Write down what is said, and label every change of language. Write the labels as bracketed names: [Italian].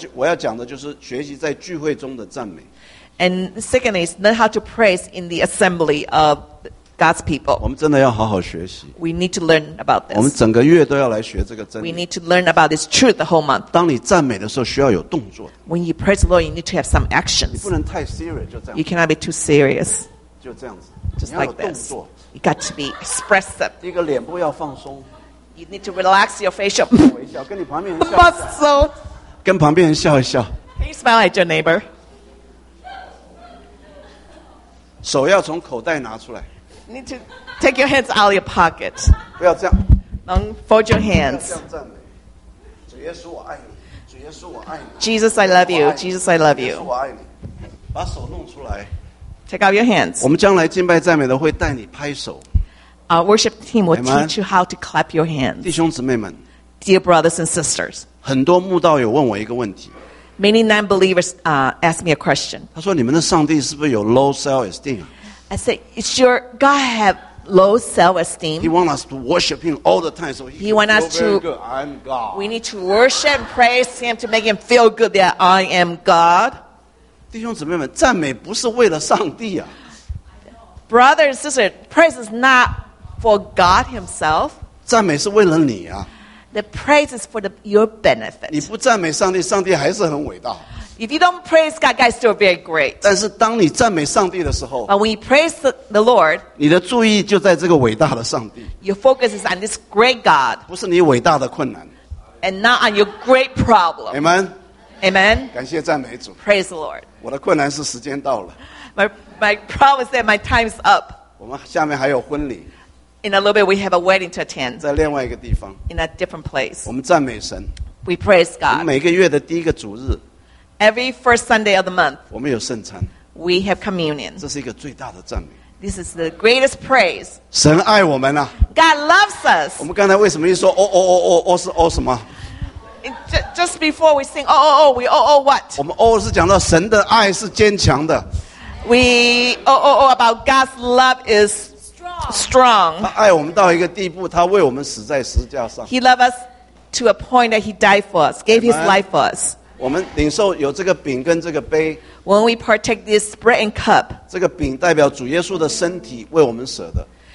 [Chinese] 第二个我要讲的就是学习在聚会中的赞美。 [English] And secondly, is learn how to praise in the assembly of God's people. We need to learn about this. We need to learn about this truth the whole month. [Chinese] 当你赞美的时候需要有动作, [English] when you praise the Lord, you need to have some actions. [Chinese] 你不能太serious, [English] you cannot be too serious. [Chinese] 就这样子, [English] just like this. You got to be expressive. [Chinese] 第一个脸部要放松, [English] you need to relax your facial muscle. Can you smile at your neighbor? [Chinese] 手要从口袋拿出来, [English] you need to take your hands out of your pocket. [Chinese] 不要这样, [English] don't fold your hands. [Chinese] 主耶稣我爱你, [English] Jesus, I love you. Jesus, I love you. [Chinese] 主耶稣我爱你, 把手弄出来, [English] take out your hands. [Chinese] 我们将来敬拜赞美的会带你拍手, [English] our worship team will teach you how to clap your hands. [Chinese] 弟兄姊妹们, [English] dear brothers and sisters, [Chinese] 很多慕道友问我一个问题, [English] many non-believers ask me a question. [Chinese] 他说你们的上帝是不是有 [English] low self-esteem? I said, is your God have low self-esteem? He wants us to worship him all the time, so he wants us to good. I'm God. We need to worship and praise him to make him feel good that I am God. [Chinese] 弟兄姊妹们,赞美不是为了上帝啊, [English] brother and sister, praise is not for God himself. [Chinese] 赞美是为了你啊, [English] the praise is for your benefit. [Chinese] 你不赞美上帝,上帝还是很伟大。 [English] If you don't praise God, God is still very great. [Chinese] 但是当你赞美上帝的时候, [English] but when you praise the Lord, [Chinese] 你的注意就在这个伟大的上帝, [English] your focus is on this great God, [Chinese] 不是你伟大的困难, [English] and not on your great problem. Amen. Amen. [Chinese] 感谢赞美主, [English] praise the Lord. [Chinese] 我的困难是时间到了, [English] my problem is that my time is up. [Chinese] 我们下面还有婚礼, [English] in a little bit we have a wedding to attend, [Chinese] 在另外一个地方, [English] in a different place. [Chinese] 我们赞美神, [English] we praise God. [Chinese] 我们每个月的第一个主日, [English] every first Sunday of the month, [Chinese] 我们有圣餐, [English] we have communion. [Chinese] 这是一个最大的赞美, [English] this is the greatest praise. [Chinese] 神爱我们啊, [English] God loves us. [Chinese] 我们刚才为什么一说, oh, oh, oh, oh, oh, 是哦什么? [English] Just before we sing, oh, oh, oh, we oh, oh, what? [Chinese] 我们哦是讲到神的爱是坚强的, [English] we oh, oh, oh, about God's love is strong. [Chinese] 他爱我们到一个地步, 他为我们死在十字架上, [English] he loved us to a point that he died for us, gave his life for us. [Chinese] 我们领受有这个饼跟这个杯, [English] when we partake this bread and cup, [Chinese] 这个饼代表主耶稣的身体为我们舍的,